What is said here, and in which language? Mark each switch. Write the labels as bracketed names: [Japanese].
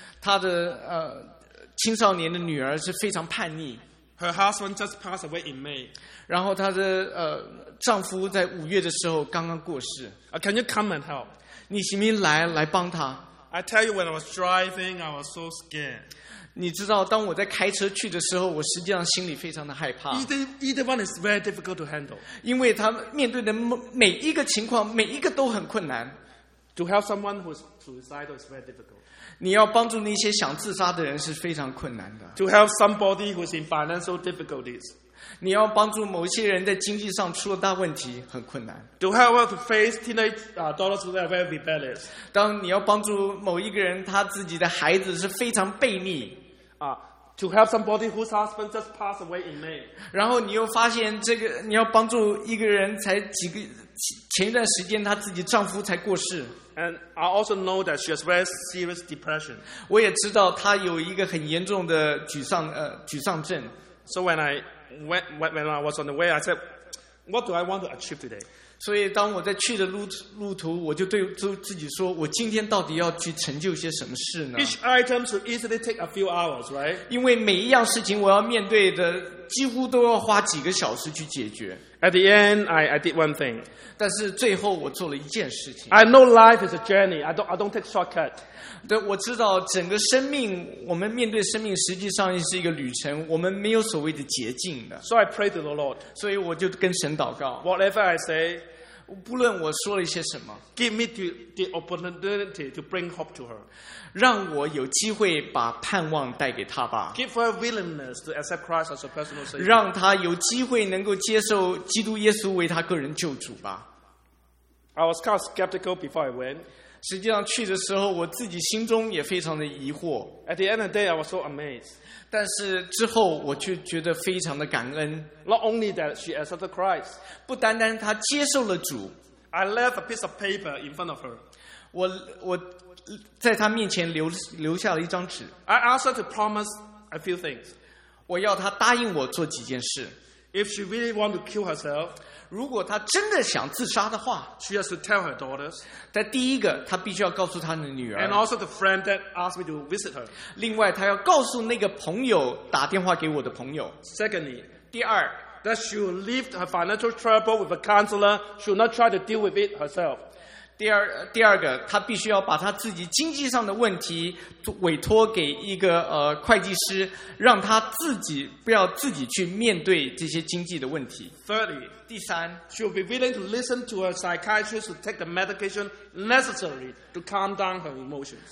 [Chinese] 她的青少年的女儿是非常叛逆。 [English] Her husband just passed away in May. [Chinese] 然后她的丈夫在五月的时候刚刚过世。 [English] Can you come and help? [Chinese] 你行不行来帮她 [English] ？I tell you, when I was driving, I was so scared. [Chinese] 你知道，当我在开车去的时候，我实际上心里非常的害怕。 [English] Either one is very difficult to handle. [Chinese] 因为他面对的每一个情况，每一个都很困难。 [English] To help someone who is suicidal is very difficult. [Chinese] 你要帮助那些想自杀的人是非常困难的。 [English] To help somebody who is in financial difficulties. [Chinese] 你要帮助某些人在经济上出了大问题很困难。 [English] To help her to face teenage daughters who are very rebellious. [Chinese] 当你要帮助某一个人他自己的孩子是非常悖逆。 [English] To help somebody whose husband just passed away in May. [Chinese] 然后你又发现这个你要帮助一个人才几个前一段时间她自己丈夫才过世 [English] And I also know that she has very serious depression. [Chinese] 我也知道她有一个很严重的沮丧症 [English] So when I was on the way I said, what do I want to achieve today? [Chinese] 所以当我在去的路途，我就对自己说，我今天到底要去成就些什么事呢？ [English] Each item should easily take a few hours, right? [Chinese] 因为每一样事情我要面对的，几乎都要花几个小时去解决。 [English] At the end, I did one thing. [Chinese] 但是最后我做了一件事情。 [English] I know life is a journey. I don't take shortcut. [Chinese] 对，我知道整个生命，我们面对生命实际上是一个旅程，我们没有所谓的捷径的。 [English] So I pray to the Lord. [Chinese] 所以我就跟神祷告。 [English] Whatever I say, [Chinese] 不论我说了一些什么 [English] ，give me the opportunity to bring hope to her. [Chinese] 让我有机会把盼望带给她吧。 [English] Give her willingness to accept Christ as her personal savior. [Chinese] 让她有机会能够接受基督耶稣为她个人救主吧。 [English] I was kind of skeptical before I went. [Chinese] 实际上去的时候，我自己心中也非常的疑惑。 [English] At the end of the day, I was so amazed. [Chinese] 但是之后，我却觉得非常的感恩。 [English] Not only that she accepted Christ, [Chinese] 不单单她接受了主。 [English] I left a piece of paper in front of her. [Chinese] 我在她面前留下了一张纸。 [English] I asked her to promise a few things. [Chinese] 我要她答应我做几件事。 [English] If she really wants to kill herself, [Chinese] 如果她真的想自杀的话， [English] she has to tell her daughters. [Chinese] 在第一个，她必须要告诉她的女儿。 [English] And also the friend that asked me to visit her. [Chinese] 另外，她要告诉那个朋友打电话给我的朋友。 [English] Secondly, [Chinese] 第二。 [English] That she will leave her financial trouble with a counselor. She will not try to deal with it herself. [Chinese] 第二个，她必须要把她自己经济上的问题委托给一个会计师，让她自己不要自己去面对这些经济的问题。 [English] Thirdly, [Chinese] 第三 [English] ，she will be willing to listen to her psychiatrist to take the medication necessary to calm down her emotions.